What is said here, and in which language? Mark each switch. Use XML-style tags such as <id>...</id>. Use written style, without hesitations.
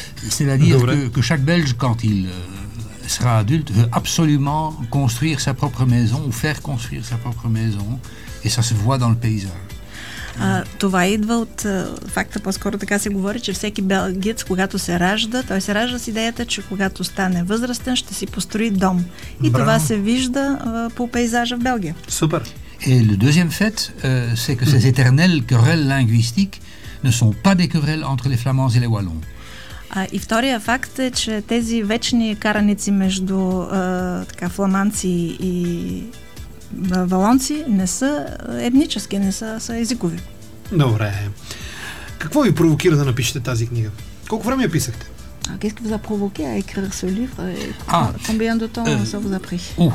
<fr>C'est-à-dire que chaque Belge, quand il sera adulte, veut absolument construire sa propre maison ou faire construire sa propre maison et ça se voit dans le paysage.</fr> <bg>Това идва от факта, по-скоро така се говори, че всеки белгиец, когато се ражда, той се ражда с идеята, че когато стане възрастен, ще си построи дом. И това се вижда по пейзажа в Белгия. Супер!</bg> <fr>Et le deuxième fait, c'est que ces éternelles querelles linguistiques ne sont pas des querelles entre les Flamands et les Wallons.</fr> <bg>И втория факт е, че тези вечни караници между така, фламанци и валонци не са етнически, не са езикови. Добре. Какво ви провокира да напишете тази книга? Колко време я писахте?</bg> <fr>Qu'est-ce qui vous a provoqué à écrire ce livre Combien de temps ça vous a pris</fr>